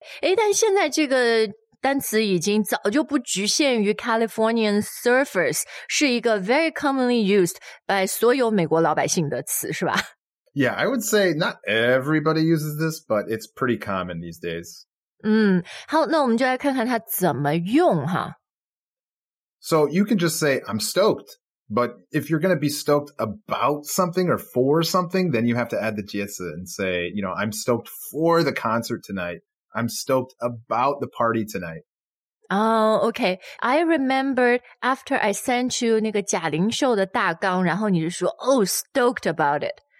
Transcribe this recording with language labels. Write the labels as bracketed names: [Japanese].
[Chinese] 诶，但现在这个单词已经早就不局限于 Californian surfers, 是一个 [English] very commonly used by [Chinese] 所有美国老百姓的词，是吧？ [English] Yeah, I would say not everybody uses this, but it's pretty common these days. [Chinese] 好，那我们就来看看它怎么用哈。 [English] So you can just say, I'm stoked. But if you're going to be stoked about something or for something, then you have to add the jitsu and say, you know, I'm stoked for the concert tonight. I'm stoked about the party tonight. Oh, okay. I remembered after I sent you [Chinese] 那个贾玲秀的大纲，然后你就说 [English] oh, stoked about it.